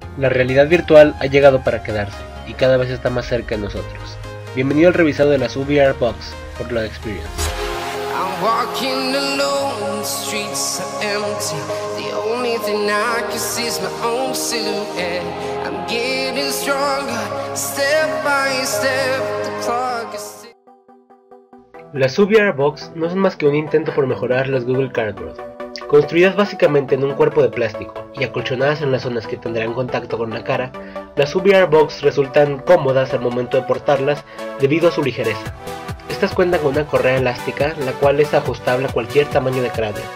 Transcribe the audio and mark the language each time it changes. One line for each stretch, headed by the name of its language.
Spanish: La realidad virtual ha llegado para quedarse y cada vez está más cerca de nosotros. Bienvenido al revisado de las VR Box por Cloud Experience.
English: I'm walking alone, the streets are empty. The only thing I can see is my own silhouette. I'm getting stronger, step by step, the clock is...
Spanish: Las VR Box no son más que un intento por mejorar las Google Cardboard, construidas básicamente en un cuerpo de plástico y acolchonadas en las zonas que tendrán contacto con la cara. Las VR Box resultan cómodas al momento de portarlas debido a su ligereza. Estas cuentan con una correa elástica, la cual es ajustable a cualquier tamaño de cráneo.